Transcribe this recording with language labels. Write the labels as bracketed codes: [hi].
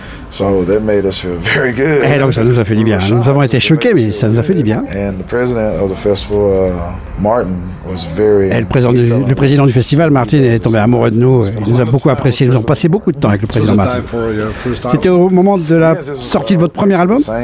[en] So that made us feel very good. [fr] Et donc ça nous a fait du bien. Nous avons été choqués, mais ça nous a fait du bien. [en] And the president of the festival, Martin, was very. [fr] Et le président du festival, Martin, est tombé amoureux de nous. Il nous a beaucoup apprécié. Nous avons passé beaucoup de temps avec le président Martin. C'était au moment de la sortie de votre premier album.